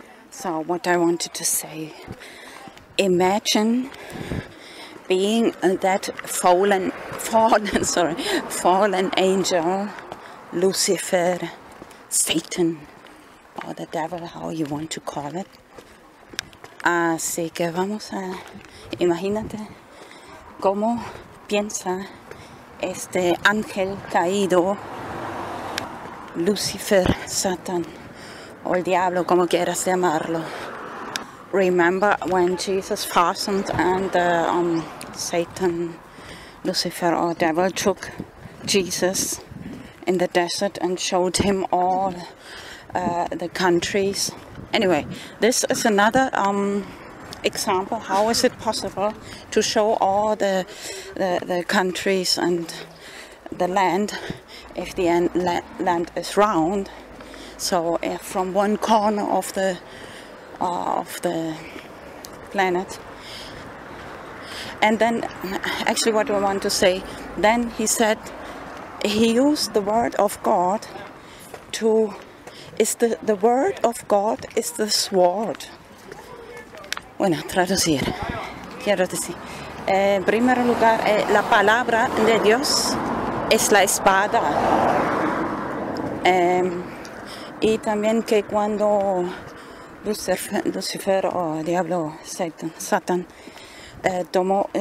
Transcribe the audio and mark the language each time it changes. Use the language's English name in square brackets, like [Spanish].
[English] So what I wanted to say, imagine being that fallen angel, Lucifer, Satan, or the devil, how you want to call it. [Spanish] Así que vamos a, imagínate cómo piensa este ángel caído, Lucifer, Satan, o el diablo, como quieras llamarlo. [English] Remember when Jesus fastened and Satan, Lucifer, or devil took Jesus in the desert and showed him all the countries. Anyway, this is another example. How is it possible to show all the countries and the land if the land is round? So if from one corner of the planet. And then actually what I want to say, then he said he used the word of God to is the word of God is the sword. [Spanish] Bueno, traducir. Quiero decir. En primer lugar, la palabra de Dios es la espada. Y también que cuando Lucifer o diablo, Satan, tomó.